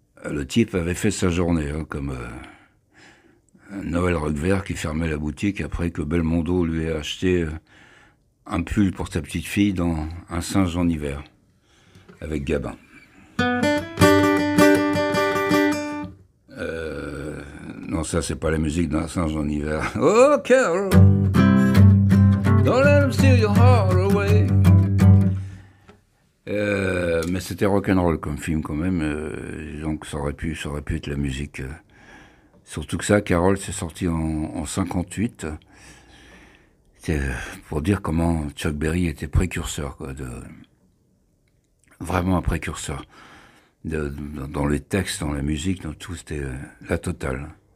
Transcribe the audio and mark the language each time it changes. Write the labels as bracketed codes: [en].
[fr] Le type avait fait sa journée, hein, comme Noël Roquevert qui fermait la boutique après que Belmondo lui ait acheté... un pull pour sa petite fille dans un singe en hiver, avec Gabin. Non, ça, c'est pas la musique d'un singe en hiver. [en] Oh, Carol, don't let him steal your heart away. [fr] Mais c'était rock'n'roll comme film, quand même. Donc, ça aurait pu être la musique. Surtout que ça, Carol, c'est sorti en 58. C'est pour dire comment Chuck Berry était précurseur, quoi, vraiment un précurseur, dans les textes, dans la musique, dans tout, c'était la totale.